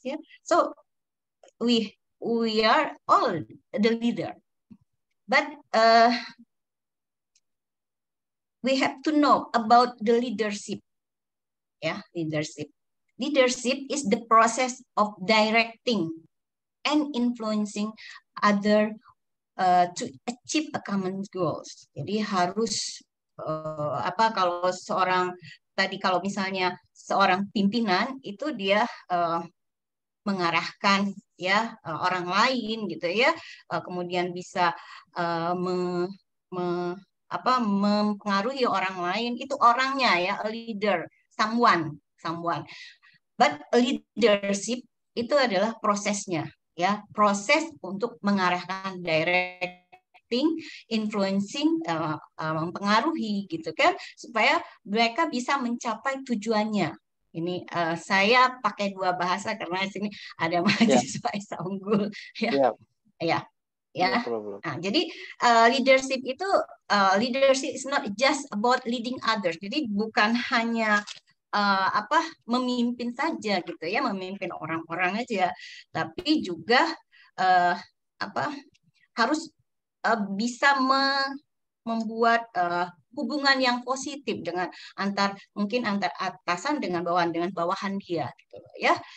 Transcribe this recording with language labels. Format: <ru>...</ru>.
<en>Yeah, so we are all the leader, but we have to know about the leadership. Yeah, leadership. Leadership is the process of directing and influencing other to achieve a common goals.</en> <id>Jadi harus apa kalau seorang tadi kalau misalnya seorang pimpinan itu dia mengarahkan ya orang lain gitu ya, kemudian bisa mempengaruhi orang lain, itu orangnya ya,</id> <en>a leader, someone. But</en> <id>leadership itu adalah prosesnya ya, proses untuk mengarahkan, directing, influencing, mempengaruhi gitu kan, supaya mereka bisa mencapai tujuannya. Ini saya pakai dua bahasa karena di sini ada mahasiswa yeah. Esa Unggul ya. Ya. Ya. Nah, jadi leadership itu</id> <en>leadership is not just about leading others.</en> <id>Jadi bukan hanya memimpin saja gitu ya, memimpin orang-orang aja, tapi juga harus bisa membuat hubungan yang positif dengan antar mungkin antar atasan dengan bawahan dia gitu ya.</id>